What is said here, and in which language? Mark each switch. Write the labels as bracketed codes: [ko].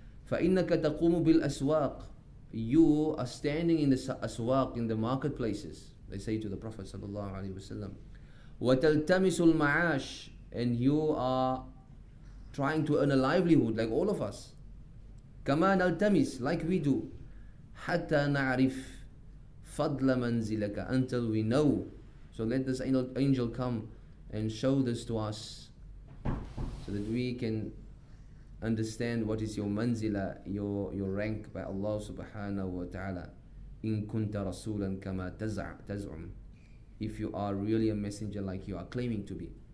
[ar] فَإِنَّكَ تَقُومُ بِالْأَسْوَاقِ, [en] you are standing in the aswaq, in the marketplaces, they say to the Prophet sallallahu alaihi wasallam, [ar] وَتَلْتَمِسُ الْمَعَاشِ, [en] and you are trying to earn a livelihood like all of us. [ar] كَمَا نَلْتَمِسْ, [en] like we do. [ar] حَتَّى نَعْرِفْ فَضْلَ مَنْزِلَكَ, [en] until we know. So let this angel come and show this to us so that we can understand what is your manzila, your rank by Allah subhanahu wa ta'ala. [ar] In kunta rasulan kama taz'um, [en] if you are really a messenger like you are claiming to be.